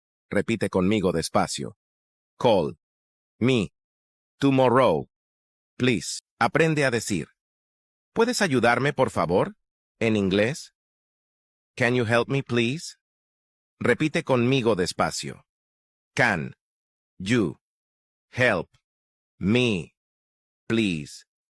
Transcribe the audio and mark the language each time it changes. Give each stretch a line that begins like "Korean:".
Spanish: Repite conmigo despacio.
English: Call me tomorrow, please.
Spanish: Aprende a decir, ¿puedes ayudarme, por favor, en inglés?
English: Can you help me, please?
Spanish: Repite conmigo despacio.
English: Can you help me, please?